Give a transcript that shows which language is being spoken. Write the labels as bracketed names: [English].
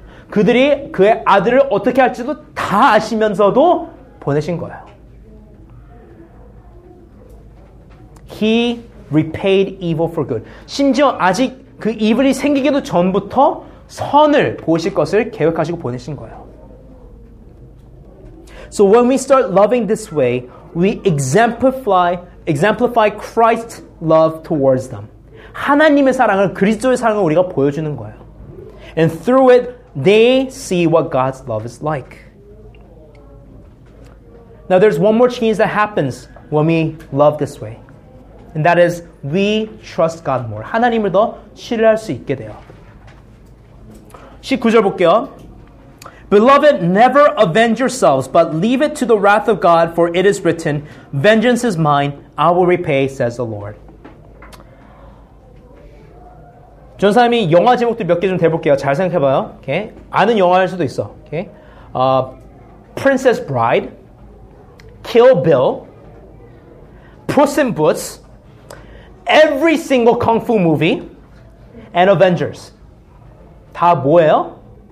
[Korean] 그들이 그의 아들을 어떻게 할지도 다 아시면서도 보내신 거예요. [English] He repaid evil for good. [Korean] 심지어 아직 그 evil이 생기기도 전부터 선을 보실 것을 계획하시고 보내신 거예요. [English] So when we start loving this way, we exemplify Christ's love towards them. [Korean] 하나님의 사랑을, 그리스도의 사랑을 우리가 보여주는 거예요. [English] And through it, they see what God's love is like. Now there's one more change that happens when we love this way. And that is, we trust God more. [Korean] 하나님을 더 신뢰할 수 있게 돼요. 19절 볼게요. [English] Beloved, never avenge yourselves, but leave it to the wrath of God, for it is written, Vengeance is mine, I will repay, says the Lord. [Korean] 전 사람이 영화 제목도 몇 개 좀 대볼게요. 잘 생각해봐요. [English] Okay? [Korean] 아는 영화일 수도 있어. [English] Okay? Princess Bride, Kill Bill, Puss in Boots, every single Kung Fu movie, and Avengers. [Korean] 다 뭐예요?